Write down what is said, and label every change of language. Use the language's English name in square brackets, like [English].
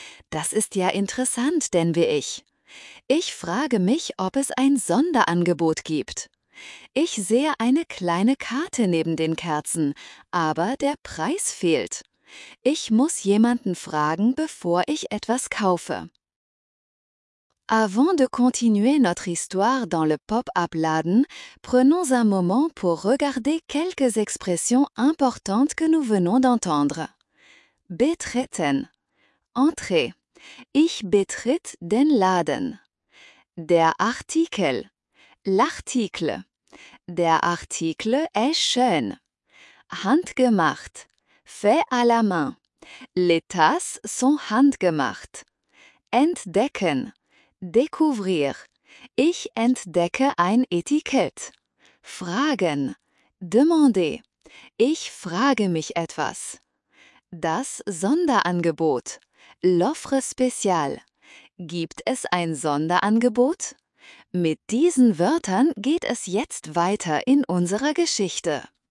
[German] Das ist ja interessant, denke ich. Ich frage mich, ob es ein Sonderangebot gibt. Ich sehe eine kleine Karte neben den Kerzen, aber der Preis fehlt. Ich muss jemanden fragen, bevor ich etwas kaufe. [French] Avant de continuer notre histoire dans le pop-up laden, prenons un moment pour regarder quelques expressions importantes que nous venons d'entendre. [German] Betreten. [French] Entrer. [German] Ich betritt den Laden. Der Artikel. L'Artikel. Der Artikel est schön. Handgemacht. [French] Fait à la main. Les tasses sont handgemacht. [German] Entdecken. [French] Découvrir. [German] Ich entdecke ein Etikett. Fragen. [French] Demander. [German] Ich frage mich etwas. Das Sonderangebot. [French] L'offre spéciale. [German] Gibt es ein Sonderangebot? Mit diesen Wörtern geht es jetzt weiter in unserer Geschichte.